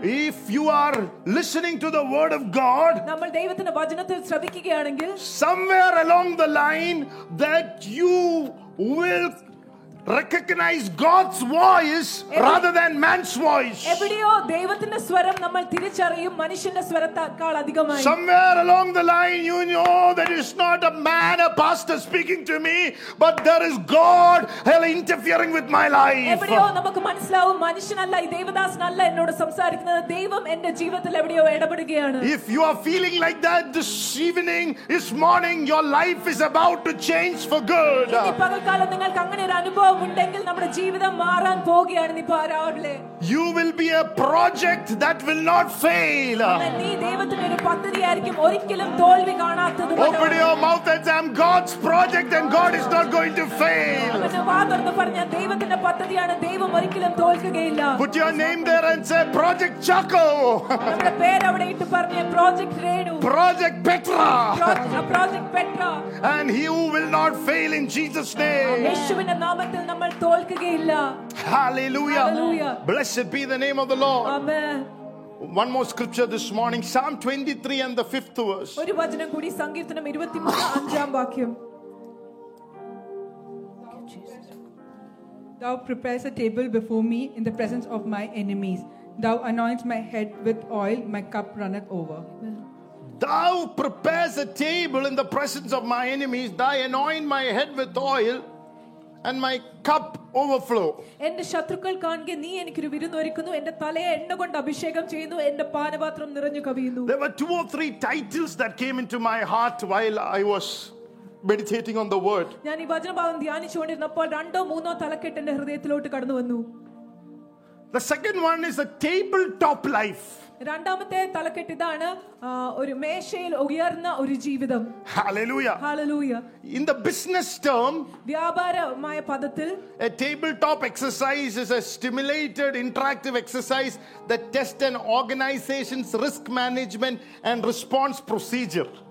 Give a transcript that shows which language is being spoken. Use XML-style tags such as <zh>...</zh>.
<en>If you are listening to the word of God,</en> <ml>നമ്മൾ ദൈവത്തിന്റെ വചനത്തിൽ ശ്രദ്ധിക്കുകയാണെങ്കിൽ,</ml> <en>somewhere along the line that you will recognize God's voice rather than man's voice.</en> <ml>എവിടെയോ ദൈവത്തിന്റെ സ്വരം നമ്മൾ തിരിച്ചറിയും മനുഷ്യന്റെ സ്വരത്തേക്കാൾ അധികമായി.</ml> <en>Somewhere along the line you know that it's not a man, a pastor speaking to me, but there is God interfering with my life.</en> <ml>എവിടെയോ നമുക്ക് മനസ്സിലാവും മനുഷ്യനല്ല ഈ ദൈവദാസനല്ല എന്നോട് സംസാരിക്കുന്നത്, ദൈവം എന്റെ ജീവിതത്തിൽ എവിടെയോ ഇടപെടുകയാണ്.</ml> <en>If you are feeling like that this evening, this morning, your life is about to change for good.</en> <ml>ഈ പകൽക്കാലം നിങ്ങൾക്ക് അങ്ങനെ ഒരു അനുഭവം ഉണ്ടെങ്കിൽ നമ്മുടെ ജീവിതം മാറാൻ പോവുകയാണ്.</ml> <en>You will be a project that will not fail. Open your mouth and say, I'm God's project and God is not going to fail. Put your name there and say, Project Chaco. Project Petra. And he who will not fail in Jesus' name.</en> <ml>നമ്മൾ തോൽക്കുകയില്ല.</ml> <en>Hallelujah. Blessed be the name of the Lord. Amen. One more scripture this morning, Psalm 23 and the 5th verse.</en> <ml>ഒരു വചനം കൂടി സങ്കീർത്തനം 23 അഞ്ചാം വാക്യം.</ml> <en>Thou prepares a table before me in the presence of my enemies. Thou anoints my head with oil, my cup runneth over. Thou prepares a table in the presence of my enemies. Thou anoint my head with oil. And my cup overflow.</en> <ml>എന്റെ ശത്രുക്കൾ കാണുക നീ എനിക്ക് ഒരു വിരുന്ന് ഒരുക്കുന്നു, എന്റെ തലയെ എണ്ണ കൊണ്ട് അഭിഷേകം ചെയ്യുന്നു, എന്റെ പാനപാത്രം നിറഞ്ഞു കവിയുന്നു.</ml> <en>There were two or three titles that came into my heart while I was meditating on the word.</en> <ml>ഞാൻ ഈ വചനഭാഗം ധ്യാനിച്ചുകൊണ്ടിരുന്നപ്പോൾ രണ്ടോ മൂന്നോ തലക്കെട്ട് എന്റെ ഹൃദയത്തിലോട്ട് കടന്നു വന്നു.</ml> <en>The second one is a table top life.</en> <ml>രണ്ടാമത്തെ തലക്കെട്ട് ഇതാണ്, ഒരു മേശയിൽ ഉയർന്ന ഒരു ജീവിതം.</ml> <en>Hallelujah. Hallelujah. In the business term,</en> <ml>വ്യാപാരമായ പദത്തിൽ,</ml> <en>a tabletop exercise is a stimulated interactive exercise that tests an organization's risk management and response procedure.</en>